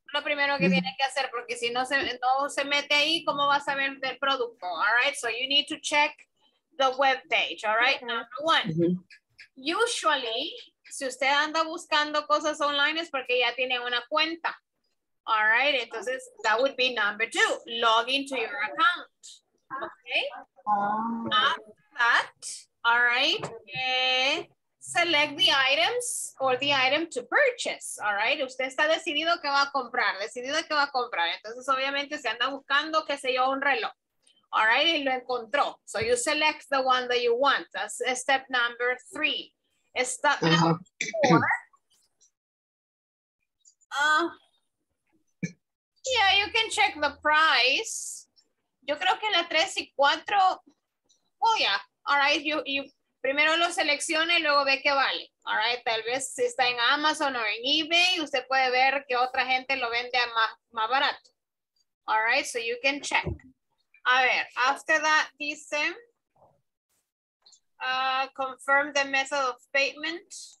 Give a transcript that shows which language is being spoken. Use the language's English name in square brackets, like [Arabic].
[Spanish] Lo primero que tiene que hacer, porque si no se, no se mete ahí, ¿cómo vas a ver del producto? [English] All right. So you need to check the web page. All right. Number 1. Mm-hmm. [Spanish] Usually, si usted anda buscando cosas online, es porque ya tiene una cuenta. [English] All right, entonces, that would be number 2, log into your account, okay? After that, all right, select the items or the item to purchase, all right? [Spanish] Usted está decidido que va a comprar, decidido que va a comprar. Entonces, obviamente, se anda buscando, qué sé yo, un reloj, all right? Y lo encontró. [English] So you select the one that you want. That's step number 3. Step Yeah, you can check the price. [Spanish] Yo creo que la 3 y 4, [English] oh yeah, all right. [Spanish] You primero lo selecciona y luego ve qué vale. All right, tal vez si está en Amazon o en eBay, usted puede ver que otra gente lo vende a más barato. [English] All right, so you can check. A ver, after that, dice, confirm the method of payment.